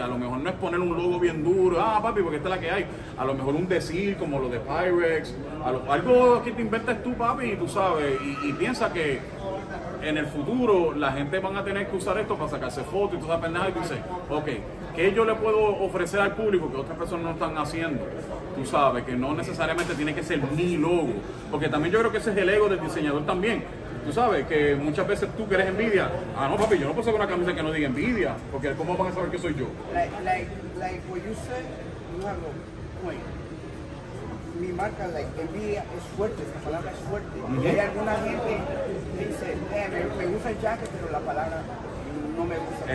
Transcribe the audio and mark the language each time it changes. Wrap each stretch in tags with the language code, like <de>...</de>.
<es>A lo mejor no es poner un logo bien duro, ah papi, porque esta es la que hay. A lo mejor un decir como lo de Pyrex, algo que te inventes tú, papi, tú sabes, y piensa que en el futuro la gente van a tener que usar esto para sacarse fotos y toda esa pendeja y tú dices, ok, ¿qué yo le puedo ofrecer al público que otras personas no están haciendo? Tú sabes que no necesariamente tiene que ser mi logo. Porque también yo creo que ese es el ego del diseñador también. Tú sabes que muchas veces tú crees envidia. Ah, no, papi, yo no puedo sacar una camisa que no diga envidia. Porque ¿cómo van a saber que soy yo?</es> <en>Like what you said, you have a point.</en> <es>Mi marca, like, envidia es fuerte. La palabra es fuerte. Mm-hmm. Y hay alguna gente que dice, me gusta el jacket, pero la palabra no me gusta.</es>